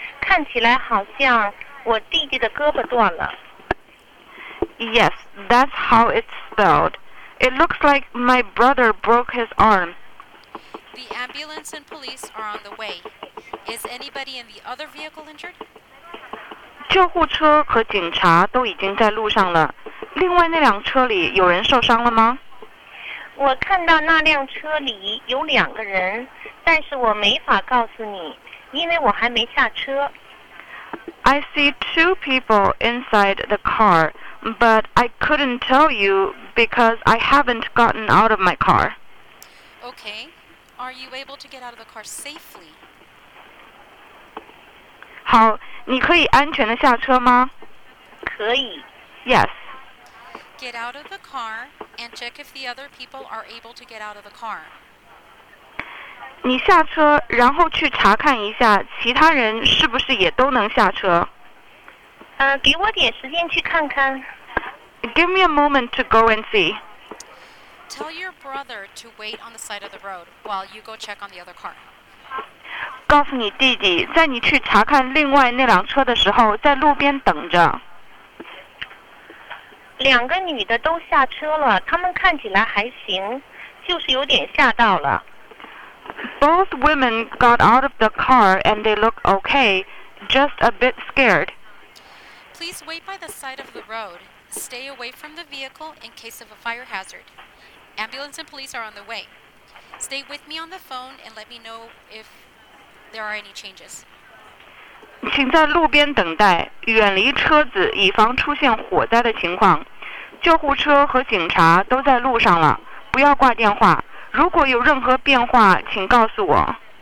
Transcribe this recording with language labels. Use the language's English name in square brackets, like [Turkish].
[Chinese] 看起来好像我弟弟的胳膊断了。 [English] Yes, that's how it's spelled. It looks like my brother broke his arm. The ambulance and police are on the way. Is anybody in the other vehicle injured? [Chinese] 救护车和警察都已经在路上了。另外那辆车里有人受伤了吗？我看到那辆车里有两个人，但是我没法告诉你，因为我还没下车。 [English] I see two people inside the car. But I couldn't tell you because I haven't gotten out of my car. Okay. Are you able to get out of the car safely? [Chinese] 好，你可以安全地下车吗？可以。 [English] Yes. Get out of the car and check if the other people are able to get out of the car. [Chinese] 你下车，然后去查看一下其他人是不是也都能下车。给我点时间去看看。 [English] Give me a moment to go and see. Tell your brother to wait on the side of the road while you go check on the other car. [Chinese] 告诉你弟弟，在你去查看另外那辆车的时候，在路边等着。两个女的都下车了，她们看起来还行，就是有点吓到了。 [English] Both women got out of the car and they look okay, just a bit scared. Please wait by the side of the road. Stay away from the vehicle in case of a fire hazard. Ambulance and police are on the way. Stay with me on the phone and let me know if there are any changes. [Chinese] 请在路边等待，远离车子，以防出现火灾的情况。救护车和警察都在路上了，不要挂电话。如果有任何变化，请告诉我。